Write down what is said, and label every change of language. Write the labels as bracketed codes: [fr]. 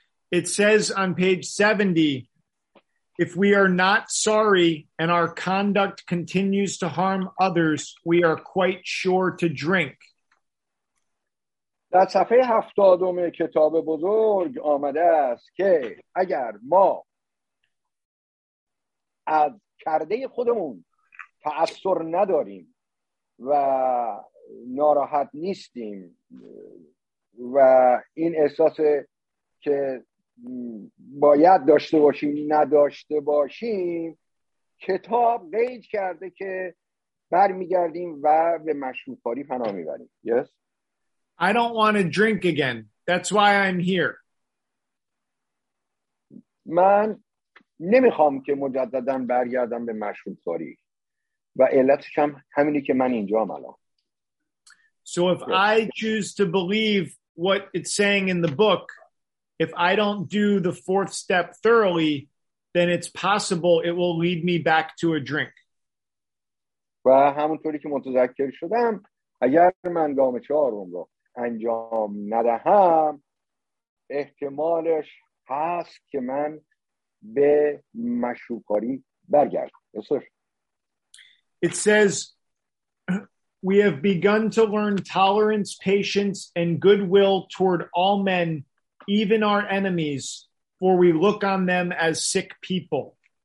[en] It says on page 70, if we are not sorry and our conduct continues to harm others, we are quite sure to drink. [fa] در صفحه 70 کتاب بزرگ آمده است که اگر ما از کرده خودمون تأثیر نداریم و ناراحت نیستیم و این احساس که باید داشته باشیم نداشته باشیم، کتاب قید کرده که برمیگردیم و به مشروب خوری پناه میبریم. [en] Yes. I don't want to drink again. That's why I'm here. [fa] من نمیخوام که مجددن برگردم به مشروب خوری و علتش هم همینی که من اینجا هم الان. [en] So if I choose to believe what it's saying in the book, if I don't do the fourth step thoroughly, then it's possible it will lead me back to a drink. [fa] و همونطوری که متذکر شدم، اگر من گام چهارم رو انجام ندهم، احتمالش هست که من به مشروب‌خواری برگردم. [en] Yes, sir. It says we have begun to learn tolerance, patience, and goodwill toward all men, even our enemies, for we look on them as sick people.